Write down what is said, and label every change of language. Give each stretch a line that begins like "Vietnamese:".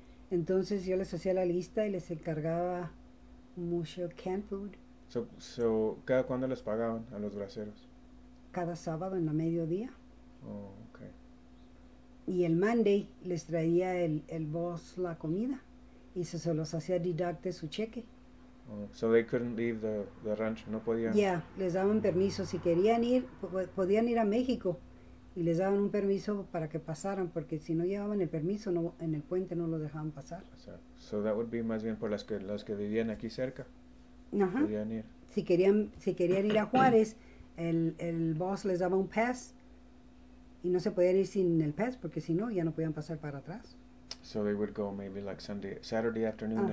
Spanish: Entonces, yo les hacía la lista y les encargaba mucho
English: canned food.
Spanish: So, ¿cada cuándo les pagaban a los braceros? Cada sábado en la mediodía. Oh, Y el Monday les traía el boss la comida y se los hacía deducte su cheque.
English: oh, so they couldn't leave the ranch,
Spanish: no podían. Ya, les daban permiso. Si querían ir, podían ir a México y les daban un permiso para que pasaran, porque si no llevaban el permiso, no, en el puente no los dejaban pasar.
English: So that would be
Spanish: más bien por las que vivían aquí cerca. Ajá. Podían ir. Si querían ir a Juárez, el boss les daba un pass y no se podían ir sin el pass, porque si no, ya no podían pasar para atrás.
English: So they would go maybe like Sunday, Saturday afternoon,